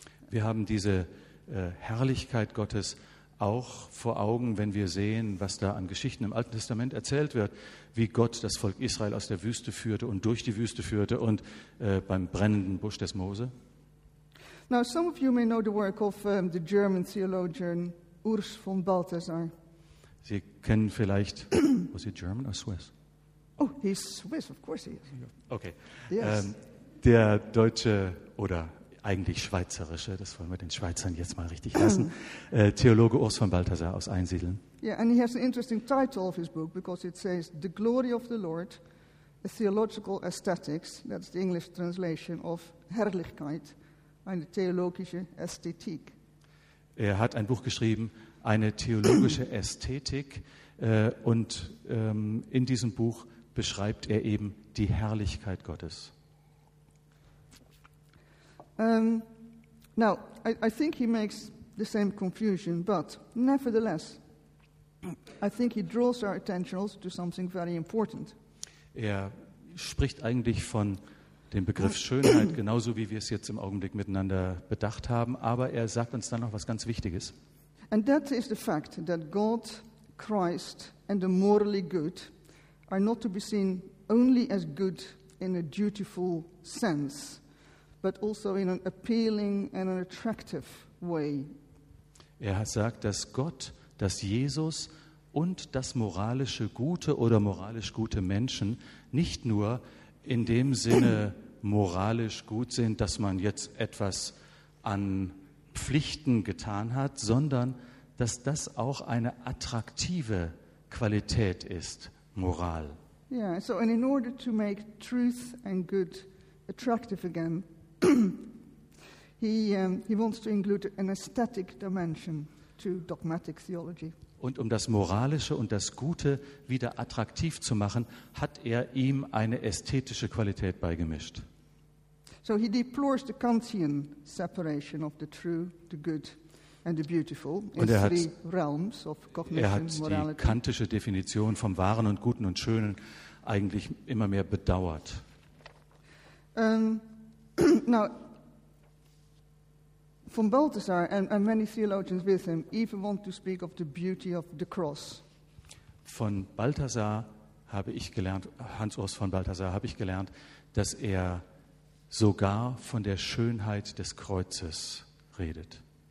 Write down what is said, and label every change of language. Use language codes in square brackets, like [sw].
[de] Wir haben diese Herrlichkeit Gottes auch vor Augen, wenn wir sehen, was da an Geschichten im Alten Testament erzählt wird, wie Gott das Volk Israel aus der Wüste führte und durch die Wüste führte und beim brennenden Busch des Mose. [en] Now, some of you may know the work of the German theologian Urs von Balthasar. [de] Sie kennen vielleicht, was ist [en] German [de] oder [en] Swiss? Oh, he's Swiss, of course he is. Okay. Yes. [de] Der deutsche oder eigentlich schweizerische, das wollen wir den Schweizern jetzt mal richtig lassen, Theologe Urs von Balthasar aus Einsiedeln. [en] Yeah, and he has an interesting title of his book because it says The Glory of the Lord, a Theological Aesthetics, that's the English translation of [de] Herrlichkeit, eine theologische Ästhetik. Er hat ein Buch geschrieben, eine theologische Ästhetik, und in diesem Buch beschreibt er eben die Herrlichkeit Gottes. [en] Now, I think he makes the same confusion, but nevertheless, I think he draws our attention also to something very important. [de] Er spricht eigentlich von dem Begriff Schönheit, genauso wie wir es jetzt im Augenblick miteinander bedacht haben, aber er sagt uns dann noch was ganz Wichtiges. [en] And that is the fact that God, Christ and the morally good are not to be seen only as good in a dutiful sense, but also in an appealing and an attractive way. [de] Er sagt, dass Gott, dass Jesus und das moralische Gute oder moralisch gute Menschen nicht nur in dem Sinne moralisch gut sind, dass man jetzt etwas an Pflichten getan hat, sondern dass das auch eine attraktive Qualität ist, Moral. [en] Yeah, so and in order to make truth and good attractive again, he wants to include an aesthetic dimension to dogmatic theology. [de] Und um das Moralische und das Gute wieder attraktiv zu machen, hat er ihm eine ästhetische Qualität beigemischt. [en] So he deplores the Kantian separation of the true, the good and the beautiful in three realms of cognition, [de] er hat [en] morality. [de] Die kantische Definition vom Wahren und Guten und Schönen eigentlich immer mehr bedauert. [en] Now, von Balthasar and many theologians with him even want to speak of the beauty of the cross. [de] Von Balthasar habe ich gelernt, Hans-Urs von Balthasar habe ich gelernt, dass er sogar von der Schönheit des Kreuzes redet.